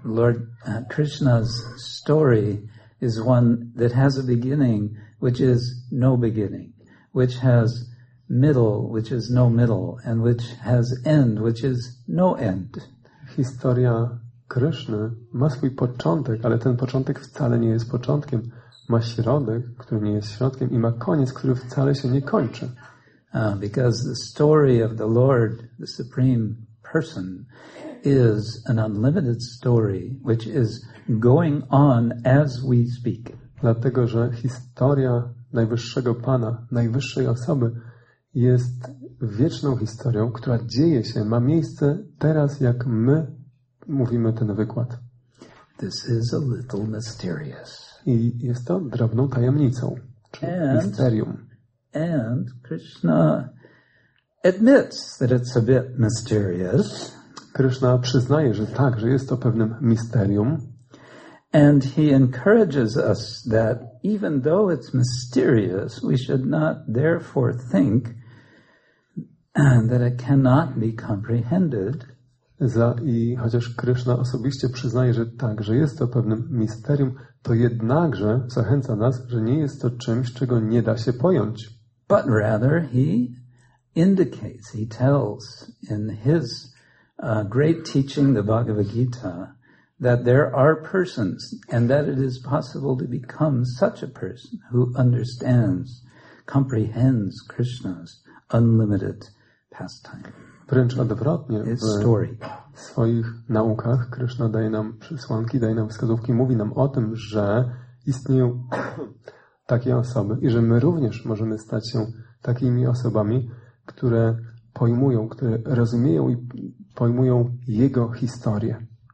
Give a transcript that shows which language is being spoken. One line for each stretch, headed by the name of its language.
English: Lord Krishna's story is one that has a beginning, which is no beginning, which has middle, which is no middle, and which has end, which is no end.
Polish: Historia Kryszny ma swój początek, ale ten początek wcale nie jest początkiem. Ma środek, który nie jest środkiem, i ma koniec, który wcale się nie kończy.
English: Because the story of the Lord, the Supreme Person, is an unlimited story, which is going on as we speak.
Polish: Dlatego, że historia Najwyższego Pana, Najwyższej Osoby, jest wieczną historią, która dzieje się, ma miejsce teraz, jak my mówimy ten wykład.
English: This is a little mysterious.
Polish: I jest to drobną tajemnicą, czy misterium.
English: And Krishna admits that it's a bit mysterious.
Polish: Krishna przyznaje, że tak, że jest to pewnym misterium.
English: And he encourages us that even though it's mysterious, we should not therefore think that it cannot be comprehended.
Polish: I chociaż Krishna osobiście przyznaje, że tak, że jest to pewnym misterium, to jednakże zachęca nas, że nie jest to czymś, czego nie da się pojąć.
English: But rather he indicates, he tells in his great teaching, the Bhagavad Gita, that there are persons and that it is possible to become such a person who understands, comprehends Krishna's unlimited pastime.
Polish: Wręcz odwrotnie, w swoich naukach Krishna daje nam przesłanki, daje nam wskazówki, mówi nam o tym, że istnieją takie osoby i że my również możemy stać się takimi osobami, które pojmują, które rozumieją i pojmują jego historię.